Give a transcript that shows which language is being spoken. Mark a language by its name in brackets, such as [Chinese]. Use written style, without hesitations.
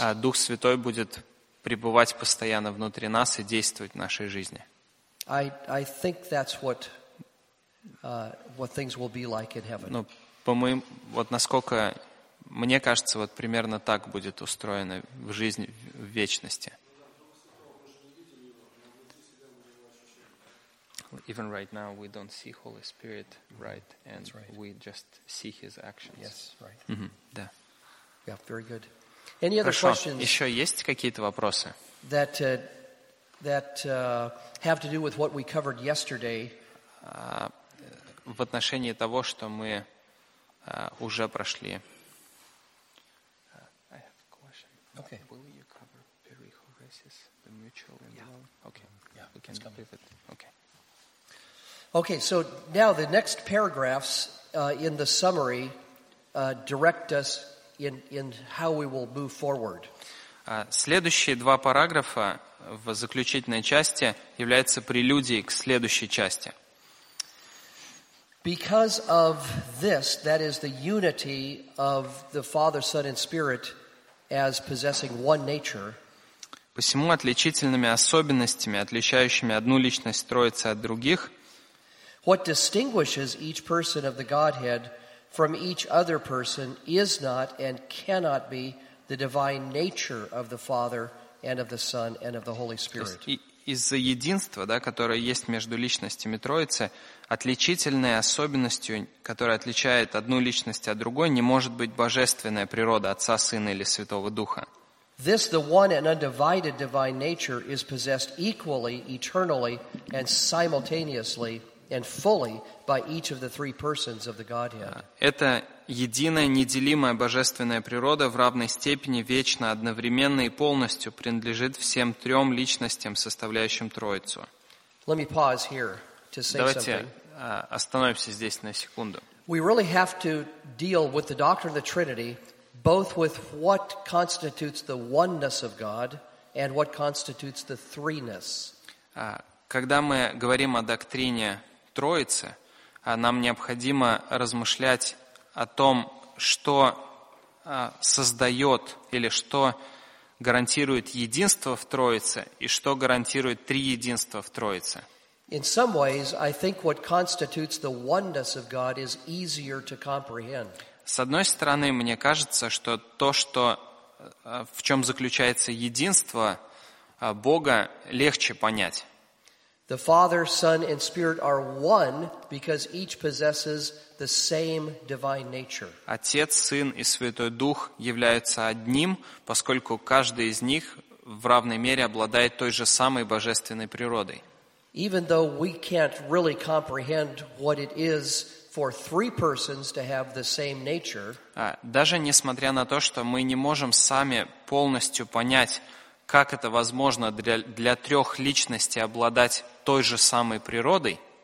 [Russian] А Дух Святой будет пребывать постоянно внутри нас и действовать в нашей жизни. [English] I think that's what things will be like in heaven. [Russian] Ну, вот насколько мне кажется, вот примерно так будет устроено в жизни в вечности. [English] Even right now we don't see Holy Spirit, right? And that's right. We just see his actions. Yes, right. [Russian] Mm-hmm. Да. [English] Yeah, very good. Any other questions? [Russian] Хорошо. Еще есть какие-то вопросы? [English] That have to do with what we covered yesterday. [Russian] В отношении того, что мы уже прошли. [English] I have a question. Okay. Will you cover perichoresis, the mutual and yeah. alone? Okay. Yeah, we can leave it. Okay. Okay, so now the next paragraphs in the summary direct us in how we will move forward. [Russian] Следующие два параграфа в заключительной части являются прелюдией к следующей части. [English] Because of this, that is the unity of the Father, Son, and Spirit as possessing one nature. [Russian] Посему отличительными особенностями, отличающими одну личность Троицы от других, [English] what distinguishes each person of the Godhead from each other person is not and cannot be the divine nature of the Father and of the Son and of the Holy Spirit. [Russian] Из-за единства, да, которое есть между личностями Троицы, отличительной особенностью, которая отличает одну личность от другой, не может быть божественная природа Отца, Сына или Святого Духа. [English] This the one and undivided divine nature is possessed equally, eternally and simultaneously and fully by each of the three persons of the Godhead. [Russian] Это единая, неделимая божественная природа в равной степени вечно, одновременно и полностью принадлежит всем трем личностям, составляющим Троицу. [English] Let me pause here to say [Russian] Давайте остановимся здесь на секунду. [English] We really have to deal with the doctrine of the Trinity, both with what constitutes the oneness of God and what constitutes the threeness. [Russian] Когда мы говорим о доктрине Троицы, нам необходимо размышлять о том, что создает или что гарантирует единство в Троице и что гарантирует три единства в Троице. [English] In some ways, I think what constitutes the oneness of God is easier to comprehend. [Russian] С одной стороны, мне кажется, что то, что, в чем заключается единство Бога, легче понять. [English] The Father, Son, and Spirit are one because each possesses the same divine nature. [Russian] Отец, Сын и Святой Дух являются одним, поскольку каждый из них в равной мере обладает той же самой божественной природой. [English] Even though we can't really comprehend what it is for three persons to have the same nature, [Russian] даже несмотря на то, что мы не можем сами полностью понять, как это возможно для трех личностей обладать той же самой природой,